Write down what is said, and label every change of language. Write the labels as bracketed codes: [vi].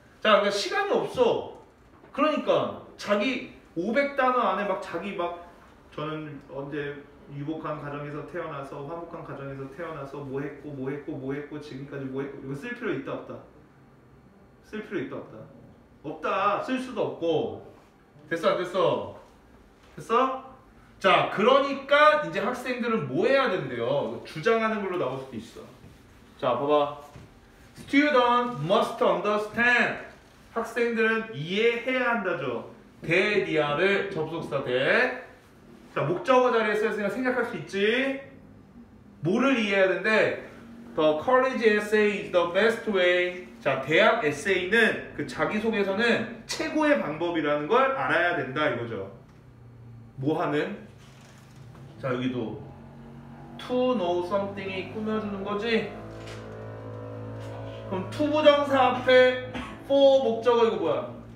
[ko] 자, 그러니까 시간이 없어. 그러니까 자기 500단어 안에 막 자기 막 저는 언제 유복한 가정에서 태어나서 화목한 가정에서 태어나서 뭐 했고 뭐 했고 뭐 했고 지금까지 뭐 했고 이거 쓸 필요 있다 없다? 쓸 필요 있다 없다? 없다. 쓸 수도 없고. 됐어 안 됐어? 됐어? 자, 그러니까 이제 학생들은 뭐 해야 된대요? 주장하는 걸로 나올 수도 있어. 자, 봐봐. [en] Student must understand. [ko] 학생들은 이해해야 한다죠. That 이하를 접속사 that. 자, 목적어 자리에 쓰였으니까 생략할 수 있지. 뭐를 이해해야 된대? [en] The college essay is the best way. [ko] 자, 대학 에세이는 그 자기소개서는 최고의 방법이라는 걸 알아야 된다 이거죠. 뭐 하는? 자, 여기도 [en] To know something [ko] 이 꾸며주는 거지. 그럼 투 부정사 앞에 포 목적어 이거 뭐야?